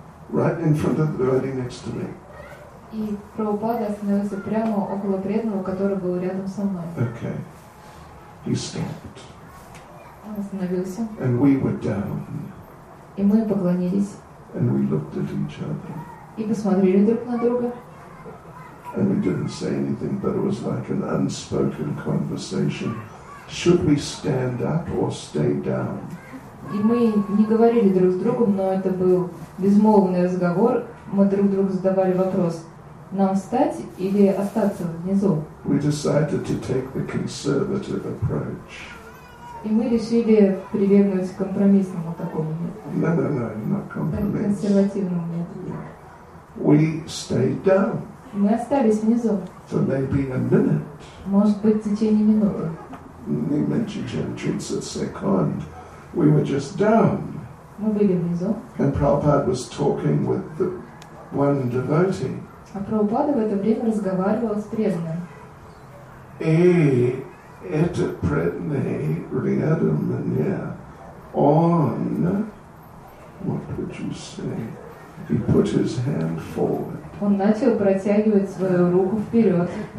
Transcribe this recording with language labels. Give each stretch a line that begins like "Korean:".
English: Right in front of the lady next to me.
Russian: И Прабхупада остановился прямо около преданного, который был рядом со мной.
English: Okay. He stopped.
Russian: Он остановился.
English: And we were down.
Russian: И мы поклонились.
English: And we looked at each other.
Russian: И посмотрели друг на друга.
English: And we didn't say anything, but it was like an unspoken conversation. Should we stand up or stay down?
Russian: И мы не говорили друг с другом, но это был безмолвный разговор. Мы друг другу задавали вопрос: нам встать или остаться внизу?
English: We decided to take the conservative approach.
Russian: И мы решили прибегнуть к компромиссному такому методу. Консервативному методу.
English: We stayed down.
Russian: Мы остались внизу.
English: For maybe a minute.
Russian: Может быть, в течение минуты. Не меньше, чем 30 секунд.
English: We were just down.
Russian: Мы были внизу.
English: And Prabhupada was talking with the one devotee.
Russian: А Прабхупада в это время разговаривал с преданным. Это предны рядом меня.
English: Он, what would you say? He put his hand forward.
Russian: Он начал протягивать свою руку вперед.